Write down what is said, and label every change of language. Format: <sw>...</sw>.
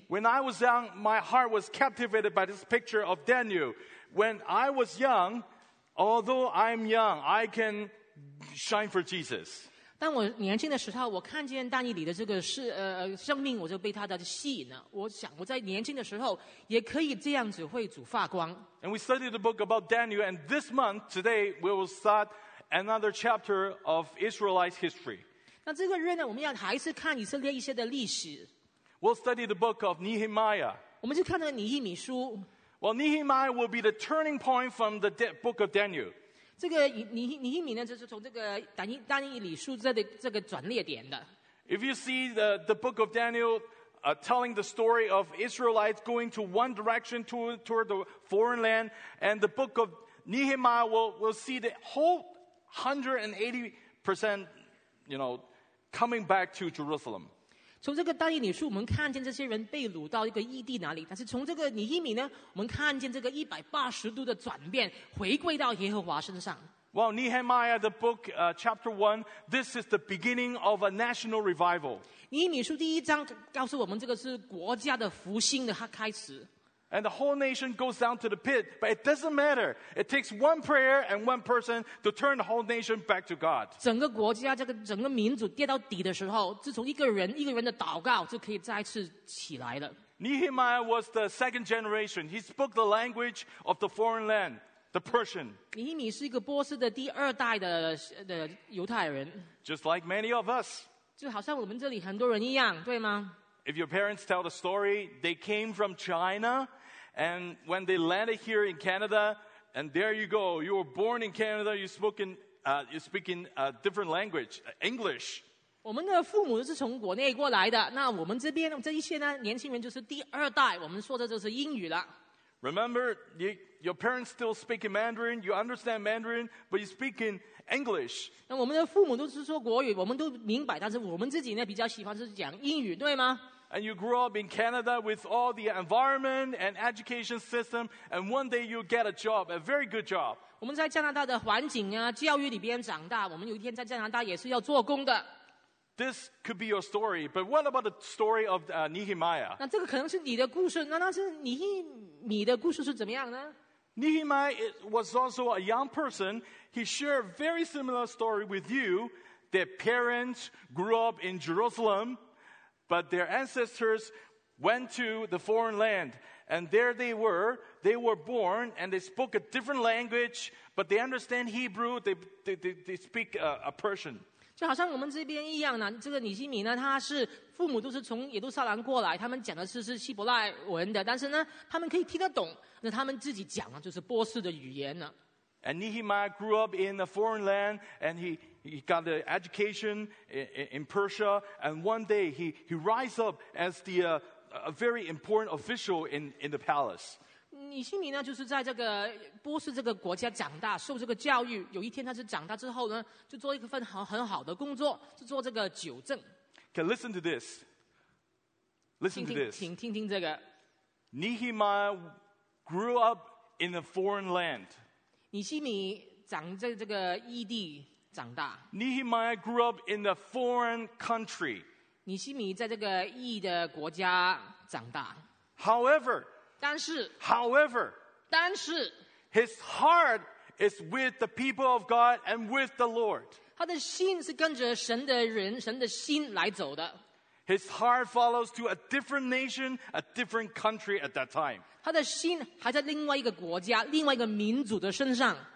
<en>When I was young, my heart was captivated by this picture of Daniel. When I was young, although I'm young, I can shine for Jesus.</en> <zh>当我年轻的时候，我看见但以理的这个生命，我就被他的吸引了。我想我在年轻的时候也可以这样子为主发光。</zh> <en>And we studied the book about Daniel, and this month, today, we will start another chapter of Israelite history.</en> <zh>那这个月呢，我们要还是看以色列一些的历史。</zh> <en>We'll study the book of Nehemiah.</en> <zh>我们就看那个尼希米书。</zh> <en>Well, Nehemiah will be the turning point from the book of Daniel.</en> <zh>这个尼希米呢，就是从这个但以理书这个转捩点的。</zh> <en>If you see the book of Daniel, telling the story of Israelites going to one direction toward the foreign land. And the book of Nehemiah will see the whole 180%, you know, coming back to Jerusalem.</en> <zh>从这个但以理书，我们看见这些人被掳到一个异地哪里？但是从这个尼希米呢，我们看见这个180度的转变，回归到耶和华身上。</zh> <en>Well, Nehemiah, the book, chapter 1, this is the beginning of a national revival.</en> <zh>尼希米书第一章告诉我们，这个是国家的复兴的开始。</zh> <en>And the whole nation goes down to the pit, but it doesn't matter. It takes one prayer and one person to turn the whole nation back to God.</en> <zh>整个国家，这个整个民族跌到底的时候，自从一个人一个人的祷告，就可以再次起来了。</zh> <en>Nehemiah was the second generation. He spoke the language of the foreign land, the Persian.</en> <zh>尼希米是一个波斯的第二代的犹太人。</zh> <en>Just like many of us.</en> <zh>就好像我们这里很多人一样，对吗？</zh> <en>If your parents tell the story, they came from China, and when they landed here in Canada, and there you go, you were born in Canada, you're speaking a different language, English.</en> <zh>我们的父母是从国内过来的，那我们这边这一些呢，年轻人就是第二代，我们说的就是英语了。</zh> <en>Remember, your parents still speak in Mandarin, you understand Mandarin, but you speak in English.</en> <zh>那我们的父母都是说国语，我们都明白，但是我们自己呢，比较喜欢是讲英语，对吗？</zh> <en>And you grew up in Canada with all the environment and education system, and one day you get a job, a very good job.</en> <zh>我们在加拿大的环境啊，教育里边长大，我们有一天在加拿大也是要做工的。</zh> <en>This could be your story, but what about the story of Nehemiah?</en> <zh>那这个可能是你的故事，那是尼希米的故事是怎么样呢？</zh> <en>Nehemiah was also a young person. He shared a very similar story with you. Their parents grew up in Jerusalem, but their ancestors went to the foreign land. And there they were. They were born, and they spoke a different language, but they understand Hebrew. They speak a Persian.</en> <zh>就好像我们这边一样呢，这个尼希米呢，他是父母都是从耶路撒冷过来，他们讲的是希伯来文的，但是呢，他们可以听得懂，那他们自己讲的就是波斯的语言呢。</zh> <en>And Nehemiah grew up in a foreign land, and he got the education in Persia, and one day he rise up as the a very important official in the palace.</en> <zh>尼希米呢，就是在这个波斯这个国家长大，受这个教育。有一天，他是长大之后呢，就做一份很好的工作，就做这个酒政。</zh> <en>Okay, listen to this. Listen to this.</en> <zh>请听这个。</zh> <en>Nehemiah grew up in a foreign land.</en> <zh>尼希米长在这个异地长大。</zh> <en>Nehemiah grew up in a foreign country.</en> <zh>尼希米在这个异的国家长大。</zh> <en>However,</en> <zh>但是</zh> <en>However,</en> <zh>但是</zh> <en>his heart is with the people of God and with the Lord.</en> <zh>他的心是跟着神的人，神的心来走的。</zh> <en>His heart follows to a different nation, a different country at that time.</en> <zh>他的心还在另外一个国家，另外一个民族的身上。</zh>